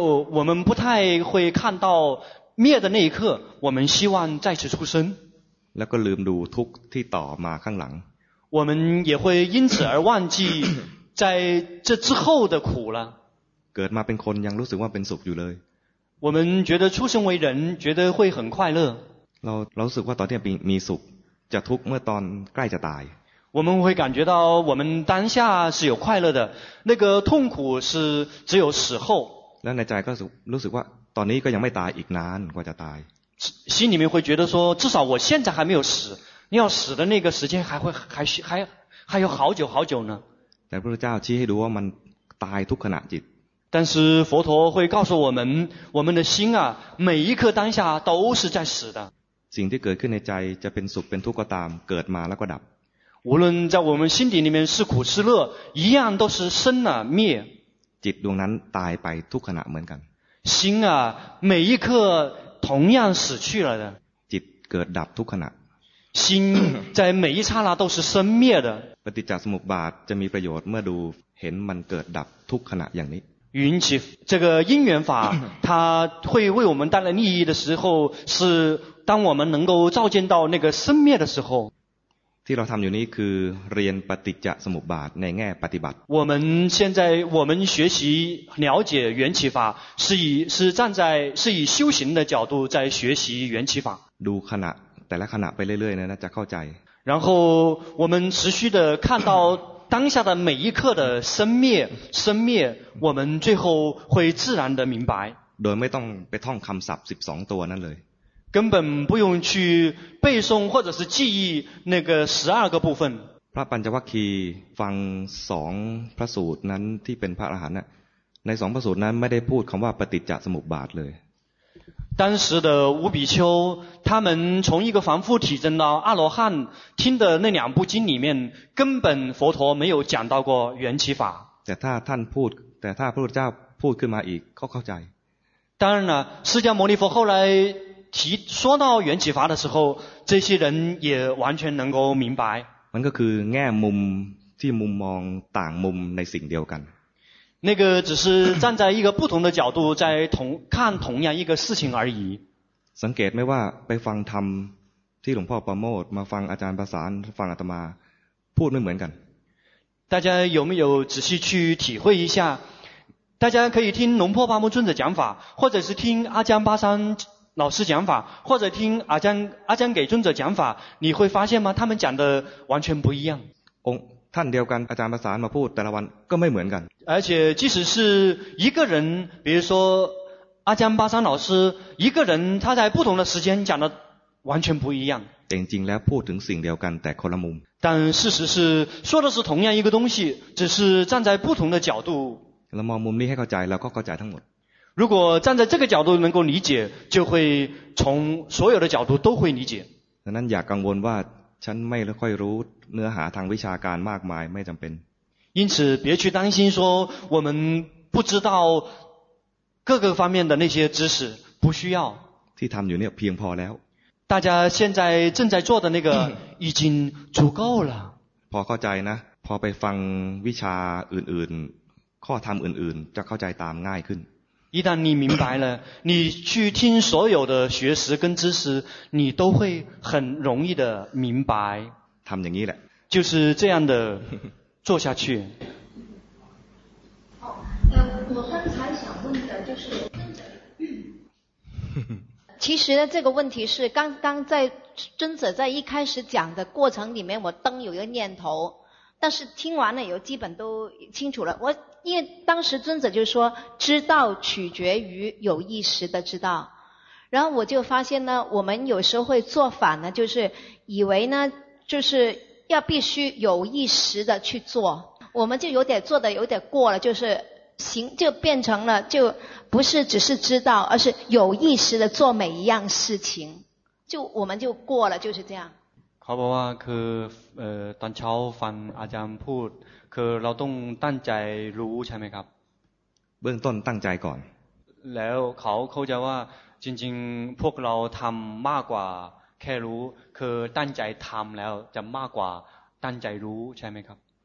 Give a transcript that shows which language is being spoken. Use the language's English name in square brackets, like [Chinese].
[Chinese] 我们不太会看到灭的那一刻我们希望再次出生 [Thai] แล้วก็ลืมดูทุกข์ที่ต่อมาข้างหลัง [Chinese] 我们也会因此而忘记在这之后的苦了 [Thai] เกิดมาเป็นคนยังรู้สึกว่าเป็นสุขอยู่เลย [Chinese] 我们觉得出生为人觉得会很快乐 [Thai] เรารู้สึกว่าตอนนี้มีสุขจะทุกข์เมื่อตอนใกล้จะตาย [Chinese] 我们会感觉到我们当下是有快乐的，那个痛苦是只有死后。 [Thai] แล้วในใจก็รู้สึกว่าตอนนี้ก็ยังไม่ตายอีกนานกว่าจะตาย。 [Chinese] 心里面会觉得说，至少我现在还没有死，要死的那个时间还会还有好久好久呢。 [Thai] แต่พระเจ้าชี้ให้รู้ว่ามันตายทุกขณะจิต。 [Chinese] 但是佛陀会告诉我们，我们的心啊，每一刻当下都是在死的。 [Thai] สิ่งที่เกิดขึ้นในใจจะเป็นสุขเป็นทุกข์ก็ตามเกิดมาแล้วก็ดับ。 [Chinese] 无论在我们心底里面是苦是乐，一样都是生了灭。 [Thai] จิตดวงนั้นตายไปทุกขณะเหมือนกัน。 [Chinese] 心啊，每一刻同样死去了的。 [Thai] จิตเกิดดับทุกขณะ。 [Chinese] 心在每一刹那都是生灭的。 [Thai] ปฏิจจสมุปบาทจะมีประโยชน์เมื่อดูเห็นมันเกิดดับทุกขณะอย่างนี้ [Chinese] 缘起这个因缘法它会为我们带来利益的时候是当我们能够照见到那个生灭的时候 [Thai] ที่เราทำอยู่นี้คือเรียนปฏิจจสมุปบาทในแง่ปฏิบัติ [Chinese] 我们现在我们学习了解缘起法是以修行的角度在学习缘起法 [Thai] ดูขณะแต่ละขณะไปเรื่อยๆนะจะเข้าใจ [Chinese] 然后我们持续的看到当下的每一刻的生灭，生灭，我们最后会自然的明白。 [Thai] โดยไม่ต้องไปท่องคำศัพท์12ตัวนั่นเลย。 [Chinese] 根本不用去背诵或者是记忆那个十二个部分。 [Thai] พระปัญจวัคคีย์ฟังสองพระสูตรนั้นที่เป็นพระอรหันต์น่ะในสองพระสูตรนั้นไม่ได้พูดคำว่าปฏิจจสมุปบาทเลย。 [Chinese] 当时的五比丘他们从一个凡夫体证到阿罗汉听的那两部经里面根本佛陀没有讲到过缘起法 [Thai] แต่ถ้าท่านพูดแต่ถ้าพระพุทธเจ้าพูดขึ้นมาอีกเขาเข้าใจ [Chinese] 当然了释迦牟尼佛后来提说到缘起法的时候这些人也完全能够明白 [Thai] มันก็คือแง่มุมที่มุมมองต่างมุมในสิ่งเดียวกัน นั่นก็ [Chinese] 只是站在一个不同的角度在同看同样一个事情而已 [Thai] สังเกตไหมว่าไปฟังธรรมที่หลวงพ่อประโมทมาฟังอาจารย์ประสานฟังอาตมาพูดไม่เหมือนกัน [Chinese] 大家有没有仔细去体会一下大家可以听龙破八木尊者讲法或者是听阿江巴山老师讲法或者听阿江给尊者讲法你会发现吗他们讲的完全不一样 [Thai] องท่านเดียวกันอาจารย์ประสานมาพูดแต่ละวันก็ไม่เหมือนกัน [Chinese] 而且即使是一个人比如说阿江巴山老师一个人他在不同的时间讲的完全不一样 [Thai] จริงๆแล้วพูดถึงสิ่งเดียวกันแต่คนละมุม [Chinese] 但事实是说的是同样一个东西只是站在不同的角度 [Thai] เรามองมุมนี้ให้เข้าใจแล้วก็เข้าใจทั้งหมด [Chinese] 如果站在这个角度能够理解就会从所有的角度都会理解 [Thai] ดังนั้นอย่ากังวลว่าฉันไม่ค่อยรู้เนื้อหาทางวิชาการมากมายไม่จำเป็น [Chinese] 因此别去担心说我们不知道各个方面的那些知识不需要 [Thai] ที่ทำอยู่เนี่ยเพียงพอแล้ว [Chinese] 大家现在正在做的那个已经足够了 [Thai] พอเข้าใจนะพอไปฟังวิชาอื่นๆข้อธรรมอื่นๆจะเข้าใจตามง่ายขึ้น [Chinese] 一旦你明白了你去听所有的学识跟知识你都会很容易的明白 [Thai] ทำอย่างนี้แหละ [Chinese] 就是这样的做下去好我刚才想问的就是其实这个问题是刚刚在尊者在一开始讲的过程里面我登有一个念头但是听完了以后基本都清楚了我因为当时尊者就说知道取决于有意识的知道然后我就发现呢我们有时候会做反呢就是以为呢就是要必须有意识的去做我们就有点做的有点过了就是行就变成了就不是只是知道而是有意识的做每一样事情就我们就过了就是这样 [Thai] ขอบอกว่าคือตอนเช้าฟังอาจารย์พูดคือเราต้องตั้งใจรู้ใช่ไหมครับ เบื้องต้นตั้งใจก่อน แล้วเขาเข้าใจว่าจริงๆพวกเราทำมากกว่าแค่รู้คือตั้งใจทำแล้วจะมากกว่าตั้งใจรู้ใช่ไหมครับ